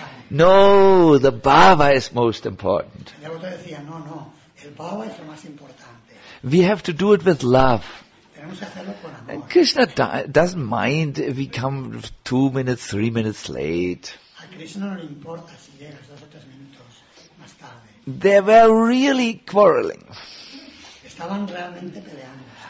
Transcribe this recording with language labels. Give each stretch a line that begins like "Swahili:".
English: No, the bhava is most important.
Spanish: El otro decía, no, no, el bhava es lo más importante.
English: We have to do it with love.
Spanish: Tenemos que hacerlo con amor.
English: And Krishna doesn't mind if we come 2 minutes, 3 minutes late.
Spanish: A Krishna no le importa si llegas dos o tres minutos más tarde.
English: They were really quarreling.
Spanish: Estaban realmente peleando.